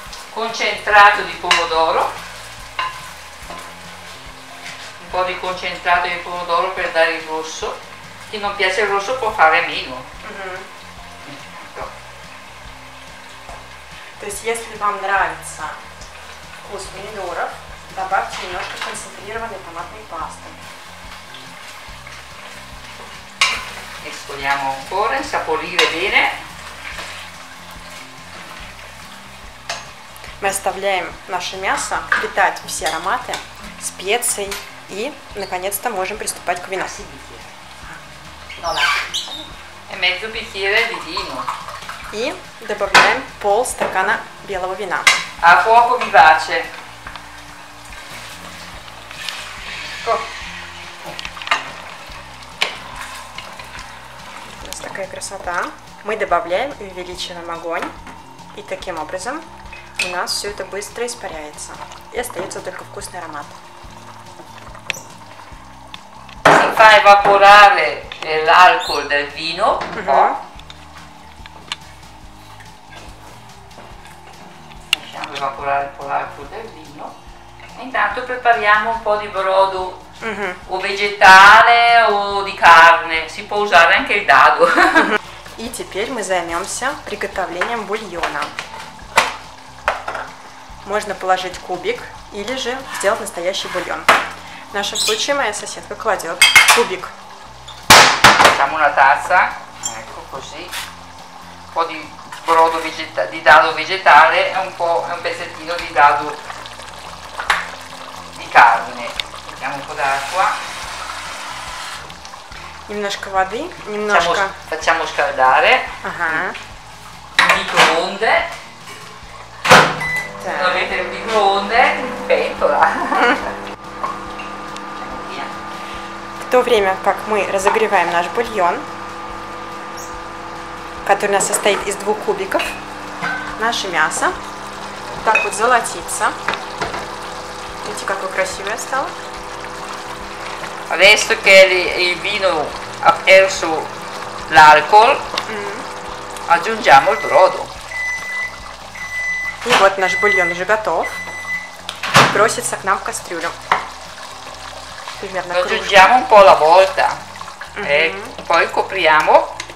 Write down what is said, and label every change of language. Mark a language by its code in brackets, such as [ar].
[it] Concentrato di pomodoro. Un po' di concentrato di pomodoro per dare il rosso. Chi non piace il rosso può fare meno. [ru] То есть, если вам нравится вкус помидоров, добавьте немножко концентрированной томатной пасты. [it] Esponiamo ancora, insaporire bene. [ru] Мы оставляем наше мясо питать все ароматы специй. И, наконец-то, можем приступать к вину. [it] E mezzo bicchiere di vino. [ru] И добавляем пол стакана белого вина. [it] A fuoco vivace. [ru] У нас такая красота. Мы добавляем и увеличиваем огонь. И таким образом у нас все это быстро испаряется. И остается только вкусный аромат. [it] Fa evaporare l'alcol del vino un po'. Lasciamo evaporare un po' l'alcol del vino. E intanto prepariamo un po' di brodo o vegetale o di carne. Si può usare anche il dado. [ru] E теперь мы займемся приготовлением бульона. Можно положить кубик или же сделать настоящий бульон. В нашем случае моя соседка кладет кубик. [it] Facciamo una tazza, ecco così. Un po' di brodo vegetale, di dado vegetale e un po' un pezzettino di dado di carne. Mettiamo un po' d'acqua. [ru] Немножко воды, немножко. [it] Facciamo scaldare. Microonde. Lo mette in microonde in pentola. [ru] В то время, как мы разогреваем наш бульон, который у нас состоит из двух кубиков, наше мясо вот так вот золотится. Видите, какое красивое стало? [it] Adesso che il vino ha perso l'alcol, aggiungiamo il brodo. [ru] И вот наш бульон уже готов. Бросится к нам в кастрюлю. [it] Lo aggiungiamo un po' alla volta e poi copriamo.